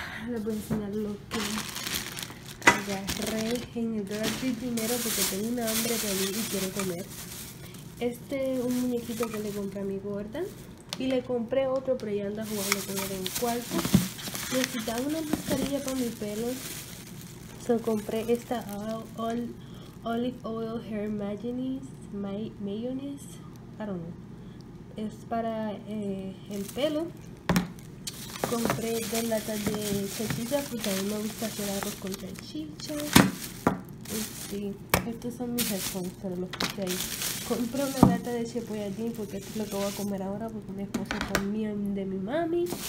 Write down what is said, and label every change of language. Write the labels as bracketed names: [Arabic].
[Spanish] Les voy a enseñar lo que agarré en el Dollar Tree primero porque tengo una hambre de ir y quiero comer. Este es un muñequito que le compré a mi gorda. Y le compré otro, pero ya anda jugando con él en el cuarto. Necesitaba una mascarilla para mi pelo. [English] So [Spanish] compré esta [English] Olive Oil Hair Mayonnaise. I don't know. [Spanish] Es para el pelo. Compré dos latas de salchicha porque a mí me gusta hacer arroz con salchicha. Y sí, estos son mis headphones, pero los puse ahí. Compré una lata de cepolladín porque esto es lo que voy a comer ahora porque mi esposo comió de mi mami.